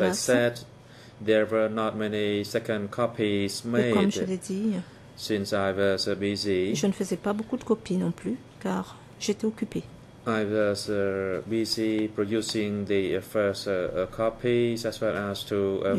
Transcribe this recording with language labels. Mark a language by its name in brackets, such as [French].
[English] I said, there were not many second copies made. [French] Comme je l'ai dit, [English] since I was busy, [French] je ne faisais pas beaucoup de copies non plus, car j'étais occupé. [English] I was busy producing the first copies as well as to make the.